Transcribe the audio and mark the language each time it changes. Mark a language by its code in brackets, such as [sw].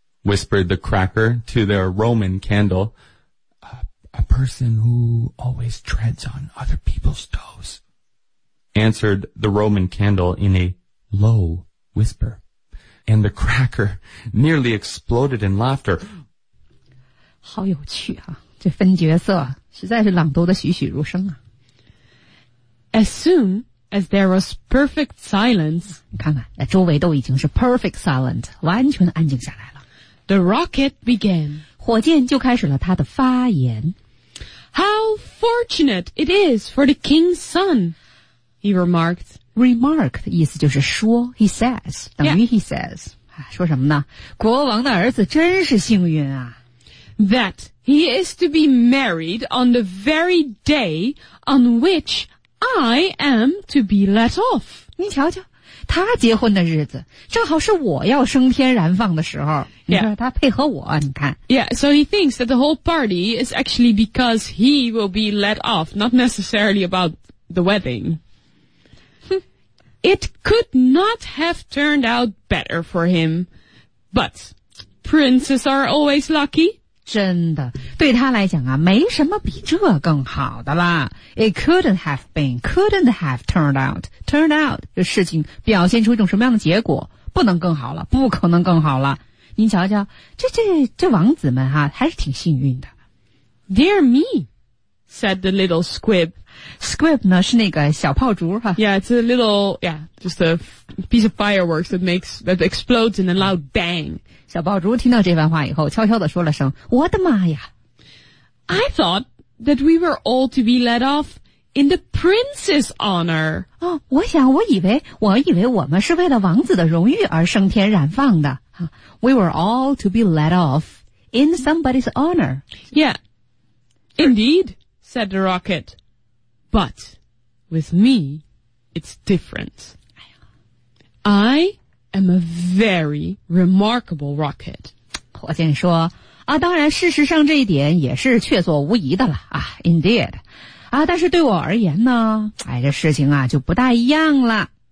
[en] Whispered the cracker to their Roman candle. A person who always treads on other people's toes. Answered the Roman candle in a low whisper. And the cracker nearly exploded in laughter. [zh] 好有趣啊，这分角色实在是朗读的栩栩如生啊。 [en] As soon as there was perfect silence, [zh] 看看，周围都已经是 [en] perfect silent, [zh] 完全安静下来了。 [en] The rocket began. [zh] 火箭就开始了它的发言。 [en] How fortunate it is for the king's son, he remarked. [zh] Remarked 意思就是说 [en] he says, [zh] 等于 he says.、 [en] Yeah. [zh] 说什么呢？国王的儿子真是幸运啊。 [en] That he is to be married on the very day on which I am to be let off. [zh] 你瞧瞧，他结婚的日子，正好是我要升天燃放的时候。 [en] Yeah. [zh] 你看他配合我，你看。 [en] Yeah, so he thinks that the whole party is actually because he will be let off, not necessarily about the wedding. It could not have turned out better for him. But princes are always lucky. [zh] 真的对他来讲啊没什么比这更好的啦。 [en] It couldn't have been, couldn't have turned out. [zh] Turned out, 这事情表现出一种什么样的结果不能更好了不可能更好了。您瞧瞧这王子们啊还是挺幸运的。 [en] Dear me, said the little squib. [zh] Squib 呢是那个小炮竹啊。 [en] Yeah, it's a little, yeah, just a piece of fireworks that explodes in a loud bang. [zh] 小爆竹听到这番话以后悄悄地说了声我的妈呀 [en] I thought that we were all to be let off in the prince's honor、 [zh] 哦、我以为我们是为了王子的荣誉而升天燃放的 [en] We were all to be let off in somebody's honor Yeah, indeed, said the rocket But with me, it's different I'm a very remarkable rocket. [zh] 火箭说啊当然事实上这一点也是确凿无疑的了啊 indeed. 啊但是对我而言呢哎这事情啊就不大一样了。